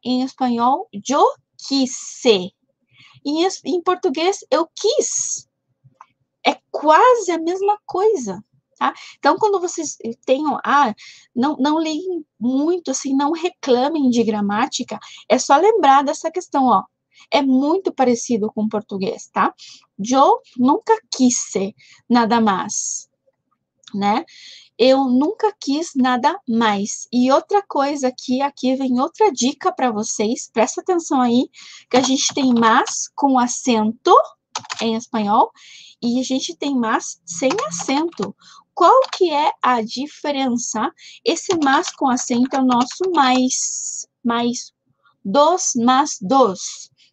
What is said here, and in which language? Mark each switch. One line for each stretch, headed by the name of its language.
Portuguese: Em espanhol,
Spanish: yo quise.
Portuguese: Em português, eu quis. É quase a mesma coisa, tá? Então, quando vocês tenham, não liguem muito, assim, não reclamem de gramática, é só lembrar dessa questão, ó. É muito parecido com o português, tá?
Spanish: Yo nunca quise nada más, né?
Portuguese: Eu nunca quis nada mais. E outra coisa que aqui vem outra dica para vocês, presta atenção aí, que a gente tem más com acento em espanhol e a gente tem más sem acento. Qual que é a diferença? Esse más com acento é o nosso mais, mais,
Spanish: dos más dos.